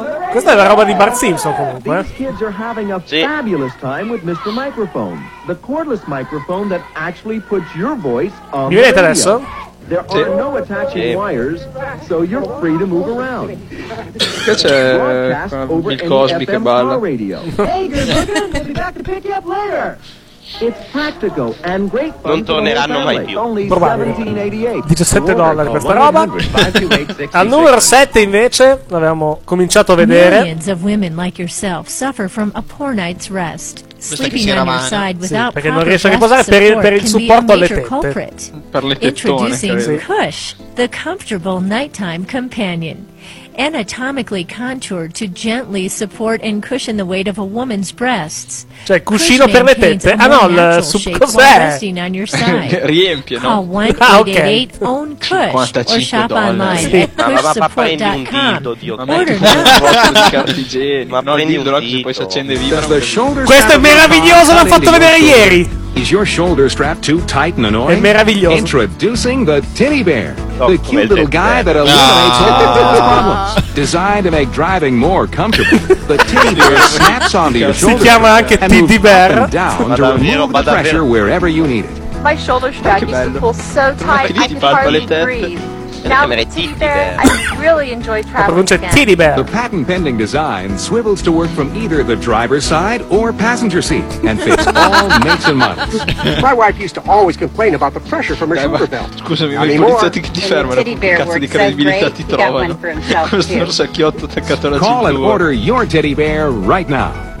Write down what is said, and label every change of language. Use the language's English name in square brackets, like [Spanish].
[Italian] Questa è la roba di Bart Simpson comunque. [English] These kids are having a fabulous time with Mr. Microphone, the cordless microphone that actually puts your voice on. [Italian] Mi vedete adesso? [English] There are no attaching wires, so you're free to move around. [Italian] Che c'è il Cosby che balla? [English] Hey, good looking, we'll be back to pick you up later. [Italian] Non torneranno mai più. Probabile. $17 questa roba. Al numero 7 invece l'avevamo cominciato a vedere. Perché non riesce a riposare per il supporto alle tette. Per le tettone. [English] Cush, the comfortable nighttime companion. Anatomically contoured to gently support and cushion the weight of a woman's breasts. [Italian] Cioè, cuscino per le tette. Ah no, cos'è? Riempie, no? [English] Call 1-888 own cush or shop online at cushsupport.com. Order now. [Italian] Ma prendi un dito, poi si accende viva. Questo è meraviglioso, l'hanno fatto vedere ieri. [English] Is your shoulder strap too tight and annoying? [Italian] È meraviglioso. [English] Introducing the Titty Bear, the cute little guy that eliminates all the problems. Designed to make driving more comfortable, the Titty Bear snaps onto your shoulder. [Italian] Si chiama anche Titty Bear. [English] Down to remove the pressure wherever you need it. My shoulder strap used to pull so tight I could hardly breathe. Now, Titty Bear, I really enjoy traveling again. The patent-pending design swivels to work from either the driver's side or passenger seat and fits all makes and models. My wife used to always complain about the pressure from her shoulder belt. [Italian] Scusami, ma i poliziotti che ti fermano, che cazzo di credibilità ti trovano? Questo orsacchiotto attaccato alla cintura. [English] Call and order your Titty Bear right now.